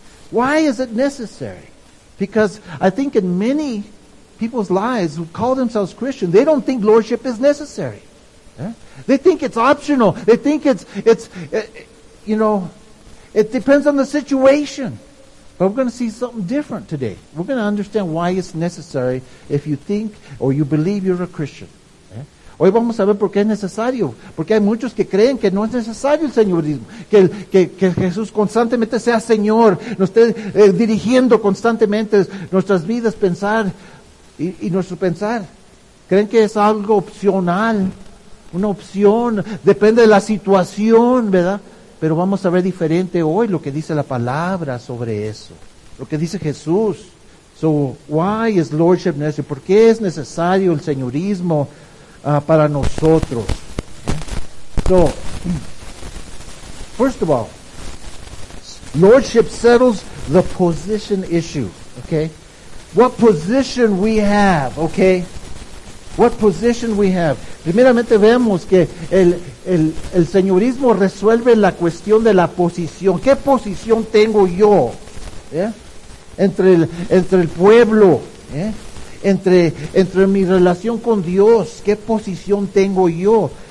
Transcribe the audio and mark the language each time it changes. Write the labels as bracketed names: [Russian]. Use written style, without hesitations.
[English] Why is it necessary? Because I think in many people's lives who call themselves Christian, they don't think lordship is necessary. They think it's optional. They think it depends on the situation. But we're going to see something different today. We're going to understand why it's necessary if you think or you believe you're a Christian. [Spanish] Hoy vamos a ver por qué es necesario. Porque hay muchos que creen que no es necesario el señorismo. Que Jesús constantemente sea Señor. Nos esté dirigiendo constantemente nuestras vidas, pensar y nuestro pensar. Creen que es algo opcional. Una opción. Depende de la situación, ¿verdad? Pero vamos a ver diferente hoy lo que dice la palabra sobre eso. Lo que dice Jesús. [English] So, why is lordship necessary? [Spanish] ¿Por qué es necesario el señorismo para nosotros? [English] So, first of all, lordship settles the position issue, okay? What position we have, okay? What position we have. [Spanish] Primeramente vemos que el señorismo resuelve la cuestión de la posición. ¿Qué posición tengo yo? ¿Eh? Entre el pueblo, ¿eh? Entre mi relación con Dios, ¿qué posición tengo yo?